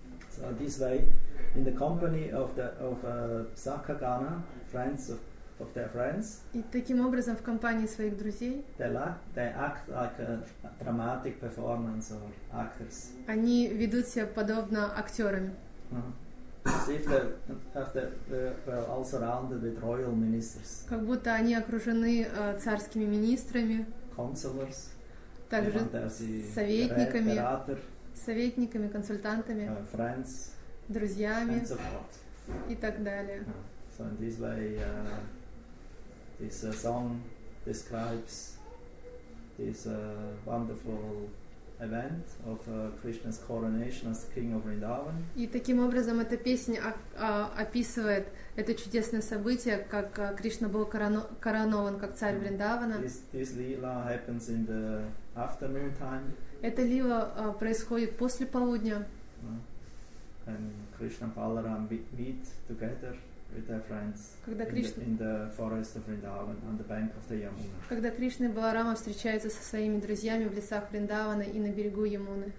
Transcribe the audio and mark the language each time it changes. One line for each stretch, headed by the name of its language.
English: So this way, in the company of the Sakagana, friends of their friends.
Russian: И таким образом в компании своих друзей.
English: They act like a dramatic performance or actors.
Russian: Они ведут себя подобно актерам.
English: As if they were all surrounded with royal ministers.
Russian: Как будто они окружены царскими министрами.
English: Counselors,
Russian: также советниками, советниками, консультантами,
English: friends,
Russian: друзьями
English: and so forth.
Russian: И так далее.
English: So in this way, this song describes this wonderful event of Krishna's coronation as king of Vrindavan.
Russian: И таким образом эта песня описывает это чудесное событие, как Кришна был коронован как царь Вриндавана.
English: This lila happens in the afternoon time.
Russian: Эта лила происходит после полудня.
English: And Krishna and Balaram meet together with their friends in the forest of Vrindavan on the bank of the Yamuna.
Russian: Когда Кришна и Баларама встречаются со своими друзьями в лесах Вриндавана и на берегу Ямуны.